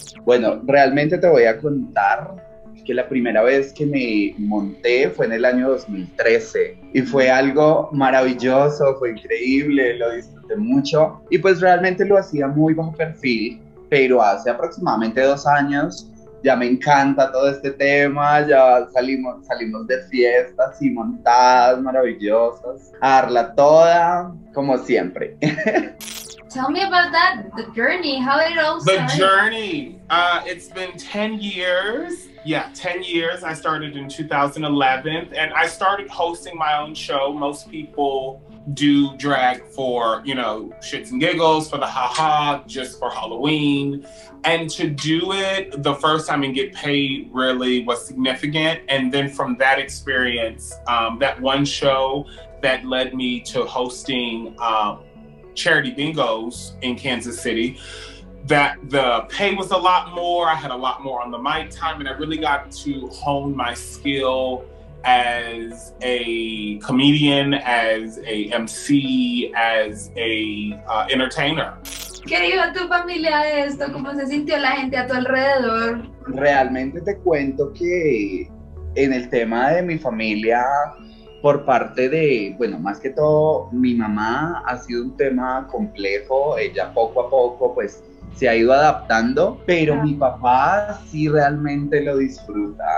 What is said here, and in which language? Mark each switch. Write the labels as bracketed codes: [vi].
[es] Bueno, realmente te voy a contar que la primera vez que me monté fue en el año 2013 y fue algo maravilloso, fue increíble, lo disfruté mucho y pues realmente lo hacía muy bajo perfil, pero hace aproximadamente 2 años ya me encanta todo este tema, ya salimos de fiestas y montadas maravillosas, a darla toda como siempre. [en] Tell me about that, the journey, how it all started. The journey, it's been 10 years. Yeah, 10 years. I started in 2011 and I started hosting my own show. Most people do drag for, you know, shits and giggles, for the haha, just for Halloween. And to do it the first time and get paid really was significant. And then from that experience, that one show that led me to hosting charity bingos in Kansas City, that the pay was a lot more, I had a lot more on the mic time, and I really got to hone my skill as a comedian, as a MC, as a entertainer. [es] ¿Qué dijo tu familia de esto? ¿Cómo se sintió la gente a tu alrededor? Realmente te cuento que en el tema de mi familia, por parte de, bueno, más que todo, mi mamá ha sido un tema complejo, ella poco a poco, pues, se ha ido adaptando, pero mi papá sí realmente lo disfruta.